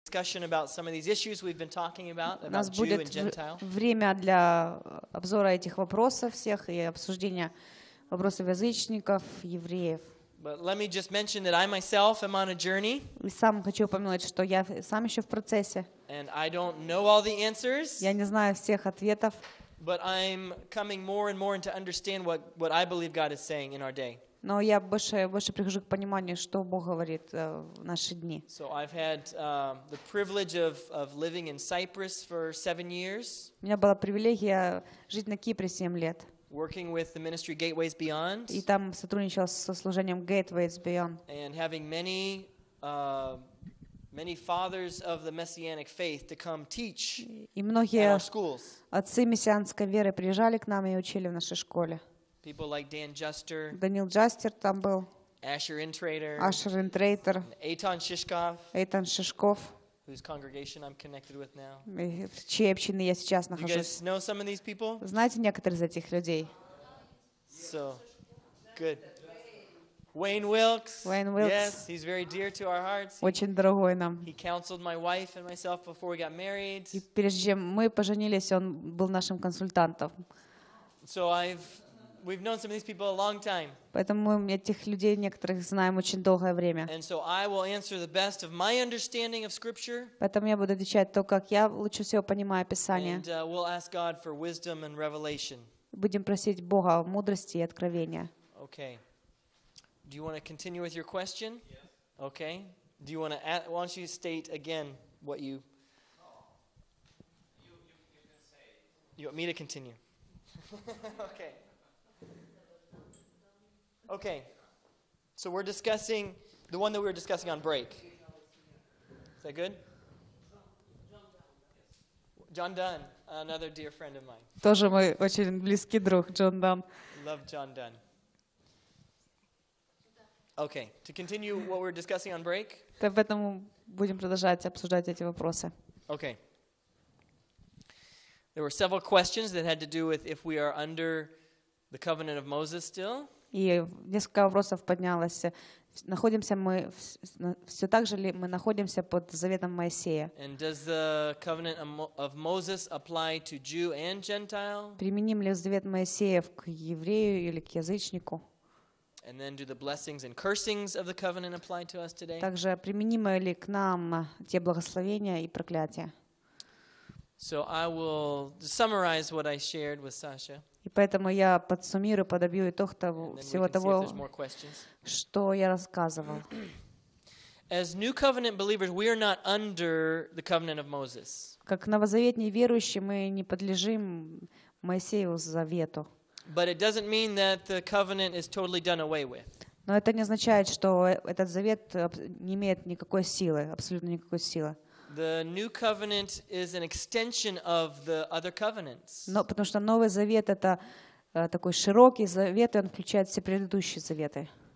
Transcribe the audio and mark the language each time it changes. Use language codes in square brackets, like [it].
[en] discussion about some of these issues we've been talking about. [ru] У нас будет время для обзора этих вопросов всех и обсуждения вопросов язычников, евреев. [en] But let me just mention that I myself am on a journey. [ru] И сам хочу упомянуть, что я сам еще в процессе. [en] And I don't know all the answers. [ru] Я не знаю всех ответов. [en] But I'm coming more and more into understand what I believe God is saying in our day. [ru] Но я больше прихожу к пониманию, что Бог говорит в наши дни. [en] So I've had the privilege of living in Cyprus for 7 years. [ru] У меня была привилегия жить на Кипре 7 лет. [en] Working with the ministry Gateways Beyond. [ru] И там сотрудничал со служением Gateways Beyond. [en] And having many fathers of the messianic faith to come teach in our schools. [ru] Отцы мессианской веры приезжали к нам и учили в нашей школе. [en] People like Dan Juster. [ru] Данил Джастер там был. [en] Asher Intrater. [ru] Asher Intrater. [en] Eitan Shishkov. [ru] Eitan Shishkov. [en] Whose congregation I'm connected with now. [ru] Чьей общины я сейчас нахожусь. [en] You guys know some of these people? [ru] Знаете некоторых из этих людей? [en] So, good. Wayne Wilkes. [ru] Wayne Wilkes. [en] Yes, he's very dear to our hearts. [ru] Очень дорогой нам. [en] He counseled my wife and myself before we got married. [ru] И прежде чем мы поженились, он был нашим консультантом. [en] So we've known some of these people a long time. [ru] Поэтому мы этих людей некоторых знаем очень долгое время. [en] And so I will answer the best of my understanding of Scripture. [ru] Поэтому я буду отвечать то, как я лучше всего понимаю Писание. [en] And we'll ask God for wisdom and revelation. [ru] Будем просить Бога мудрости и откровения. [en] Okay. Do you want to continue with your question? Yes. Okay. Do you want to add, why don't you state again what you... You can say it. You want me to continue? Okay. Okay. So we're discussing the one that we were discussing on break. Is that good? John Dunn. John Dunn, another dear friend of mine. [ru] Тоже мой очень близкий друг, Джон Данн. [en] Love John Dunn. Okay, to continue what we're discussing on break. [ru] Так поэтому будем продолжать обсуждать эти вопросы. [en] Okay. There were several questions that had to do with if we are under the covenant of Moses still. [ru] И несколько вопросов поднялось. Находимся мы все так же ли мы находимся под заветом Моисея? [en] And does the covenant of Moses apply to Jew and Gentile? [ru] Применим ли завет Моисея к еврею или к язычнику? [en] And then, do the blessings and cursings of the covenant apply to us today? [ru] Также применимы ли к нам те благословения и проклятия? [en] So I will summarize what I shared with Sasha. [ru] И поэтому я подсуммирую, подобью итог всего того, что я рассказывал. [en] As new covenant believers, we are not under the covenant of Moses. [ru] Как новозаветные верующие, мы не подлежим Моисееву завету. [en] But it doesn't mean that the covenant is totally done away with. [ru] Но это не означает, что этот завет не имеет никакой силы, абсолютно никакой силы. [en] The new covenant is an extension of the other covenants. [ru] Но потому что новый завет это такой широкий завет, и он включает все предыдущие заветы.